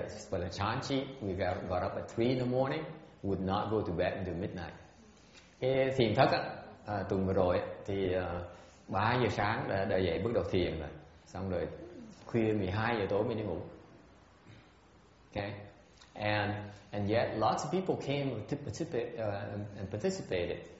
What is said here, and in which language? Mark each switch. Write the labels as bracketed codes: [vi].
[en] For the chan chi, we got up at 3 in the morning, would not go to bed until midnight. [vi] Cái thiền thất á, tuần vừa rồi thì 3 giờ sáng đã dậy bước đầu thiền rồi. Xong rồi khuya 12 giờ tối mới đi ngủ. Okay. [en] And yet lots of people came to participate, and participated.